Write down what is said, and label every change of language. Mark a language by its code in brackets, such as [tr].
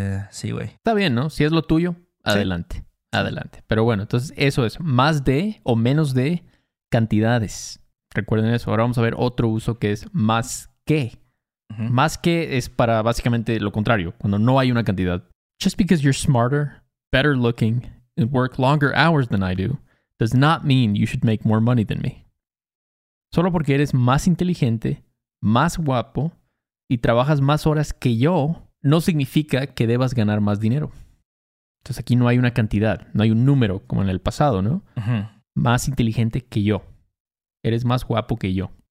[es] Sí, güey. Está bien, ¿no? Si es lo tuyo, adelante. Sí. Adelante. Pero bueno, entonces eso es. Más de o menos de cantidades. Recuerden eso. Ahora vamos a ver otro uso que es más que. Uh-huh. Más que es para básicamente lo contrario. Cuando no hay una cantidad. [en] Just because you're smarter, better looking, and work longer hours than I do, does not mean you should make more money than me. [es] Solo porque eres más inteligente, más guapo, y trabajas más horas que yo, no significa que debas ganar más dinero. Entonces aquí no hay una cantidad, no hay un número como en el pasado, ¿no? Uh-huh. Más inteligente que yo. Eres más guapo que yo.